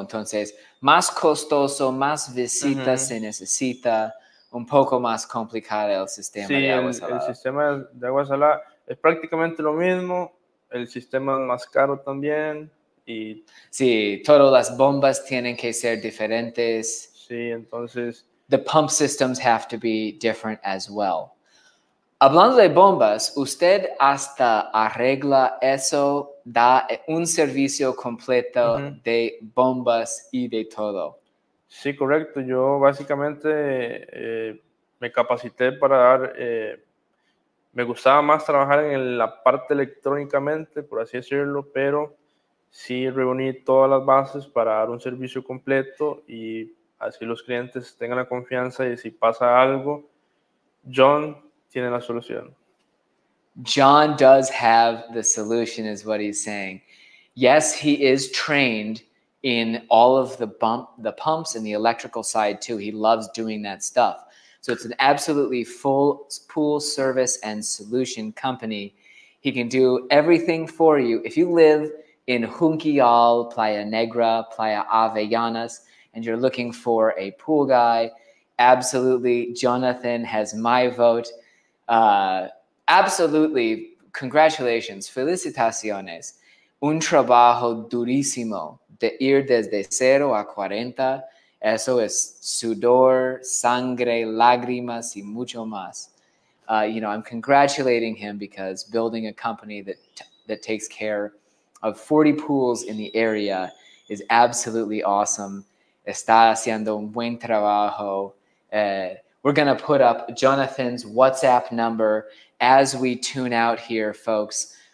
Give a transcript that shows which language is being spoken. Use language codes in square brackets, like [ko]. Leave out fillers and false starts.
[es] Entonces, más costoso, más visitas mm-hmm. se necesita. Un poco más complicado el sistema de agua salada. Sí, el sistema de agua salada es prácticamente lo mismo. El sistema es más caro también. Y sí, todas las bombas tienen que ser diferentes. Sí, entonces... [en] The pump systems have to be different as well. [es] Hablando de bombas, ¿usted hasta arregla eso? ¿Da un servicio completo mm-hmm. de bombas y de todo? Sí, correcto. Yo básicamente me capacité para dar, me gustaba más trabajar en la parte electrónicamente, por así decirlo, pero sí reuní todas las bases para dar un servicio completo y así los clientes tengan la confianza y si pasa algo, John tiene la solución. [en] John does have the solution is what he's saying. Yes, he is trained in all of the pumps and the electrical side too. He loves doing that stuff. So it's an absolutely full pool service and solution company. He can do everything for you. If you live in Junquillal, Playa Negra, Playa Avellanas, and you're looking for a pool guy, Absolutely. Jonathan has my vote. Absolutely. Congratulations. [es] Felicitaciones. Un trabajo durísimo de ir desde cero a 40. Eso es sudor, sangre, lágrimas y mucho más. [en] You know, I'm congratulating him because building a company that that takes care of 40 pools in the area is absolutely awesome. [es] Está haciendo un buen trabajo. [en] We're going to put up Jonathan's WhatsApp number as we tune out here, folks.